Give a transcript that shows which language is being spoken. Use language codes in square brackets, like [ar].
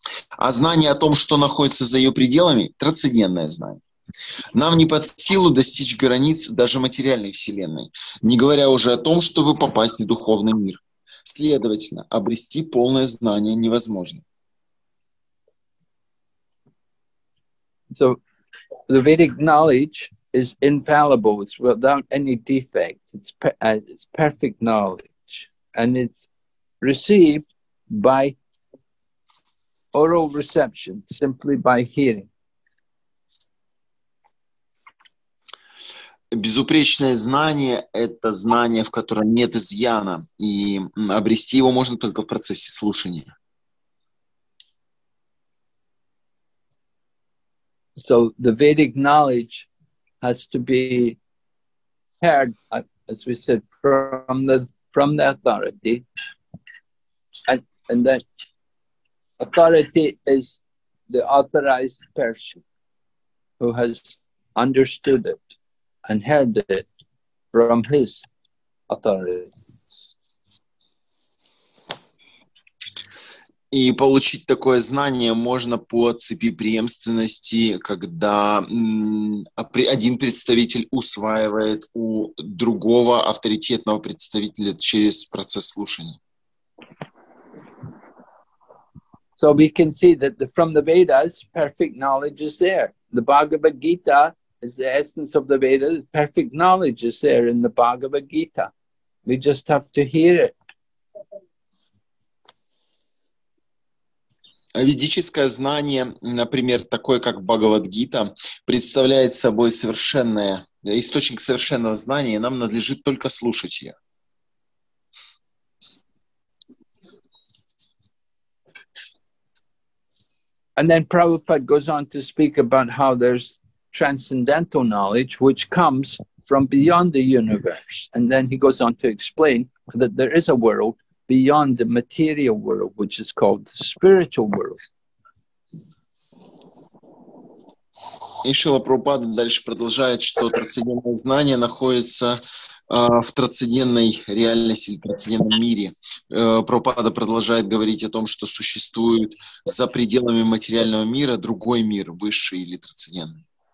[ru] А знание о том, что находится за ее пределами, — трансцендентное знание. Нам не под силу достичь границ даже материальной вселенной, не говоря уже о том, чтобы попасть в духовный мир. Следовательно, обрести полное знание невозможно. [en] So, the Vedic knowledge is infallible, it's without any defect, it's perfect knowledge, and it's received by oral reception, simply by hearing. [ru] Безупречное знание — это знание, в котором нет изъяна, и обрести его можно только в процессе слушания. [en] So the Vedic knowledge has to be heard, as we said, from the authority, and that authority is the authorized person who has understood it. And heard it from his authorities. [ru] И получить такое знание можно по цепи преемственности, когда один представитель усваивает у другого авторитетного представителя через процесс слушания. [en] So we can see that from the Vedas, perfect knowledge is there. The Bhagavad Gita is the essence of the Vedas. Perfect knowledge is there in the Bhagavad Gita. We just have to hear it. [ru] Ведическое знание, например, такое как Бхагавад-гита, представляет собой совершенное, источник совершенного знания, и нам надлежит только слушать ее. [en] And then Prabhupada goes on to speak about how there's transcendental knowledge, which comes from beyond the universe. And then he goes on to explain that there is a world beyond the material world, which is called the spiritual world. [ru] И Шрила Прабхупада дальше продолжает, что трансцендентное знание находится в трансцендентной реальности или трансцендентном мире. Прабхупада продолжает говорить о том, что существует за пределами материального мира другой мир, высший или трансцендентный.